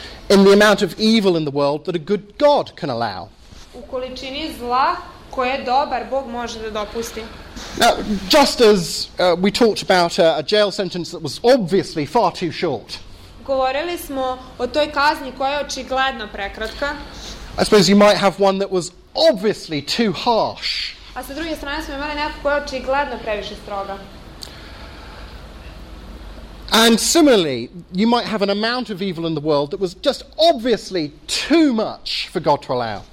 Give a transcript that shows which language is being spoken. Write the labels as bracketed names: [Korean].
[English] In the amount of evil in the world that a good God can allow. [Serbian] U količini zla koje dobar Bog može da dopusti. [English] Now, just as we talked about a jail sentence that was obviously far too short. [Serbian] Govorili smo o toj kazni koja je očigledno prekratka. [English] I suppose you might have one that was obviously too harsh. [Serbian] A sa druge strane smo imali neku koja je očigledno previše stroga. [English] And similarly, you might have an amount of evil in the world that was just obviously too much for God to allow.